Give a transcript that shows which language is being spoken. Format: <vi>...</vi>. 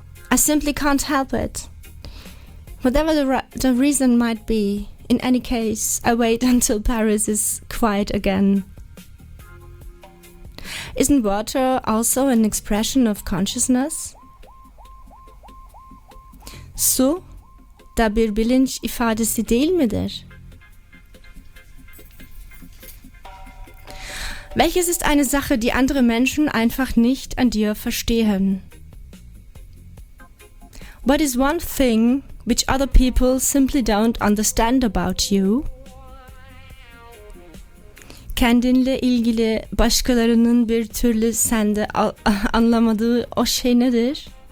<en>I simply can't help it. Whatever the reason might be, in any case, I wait until Paris is quiet again. Isn't water also an expression of consciousness?</en> <tr>Su, da bir bilinç ifadesi değil midir?</tr> <de>Welches ist eine Sache, die andere Menschen einfach nicht an dir verstehen?</de> <en>What is one thing which other people simply don't understand about you?</en> <tr>Kendinle ilgili başkalarının bir türlü sende anlamadığı o şey nedir?</tr>